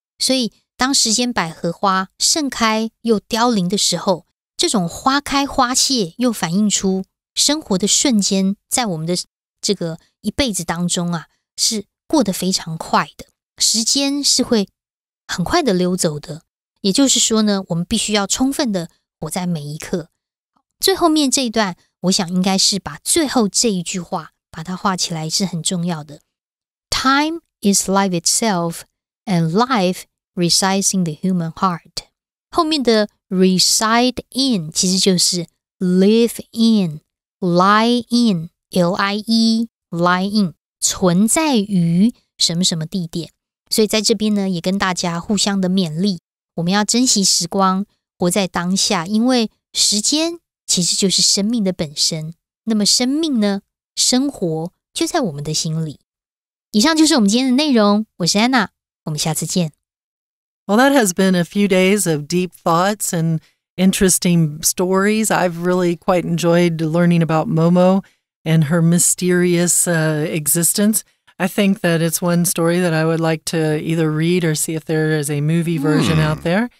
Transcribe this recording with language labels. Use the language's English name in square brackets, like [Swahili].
[Chinese] 所以当时间百合花盛开又凋零的时候，这种花开花谢又反映出生活的瞬间在我们的这个一辈子当中啊，是过得非常快的。时间是会很快的溜走的。也就是说呢，我们必须要充分的活在每一刻。最后面这一段，我想应该是把最后这一句话把它画起来是很重要的。 [English] Time is life itself, and life resides in the human heart. [Chinese] 后面的 [English] reside in [Chinese] 其实就是 [English] live in, lie in, L-I-E, lie in, [Chinese] 存在于什么什么地点。所以在这边呢，也跟大家互相的勉励，我们要珍惜时光，活在当下，因为时间其实就是生命的本身。那么生命呢，生活就在我们的心里。以上就是我们今天的内容，我是 Anna, 我们下次见。 [English] Well, that has been a few days of deep thoughts and interesting stories. I've really quite enjoyed learning about Momo and her mysterious existence. I think that it's one story that I would like to either read or see if there is a movie version out there.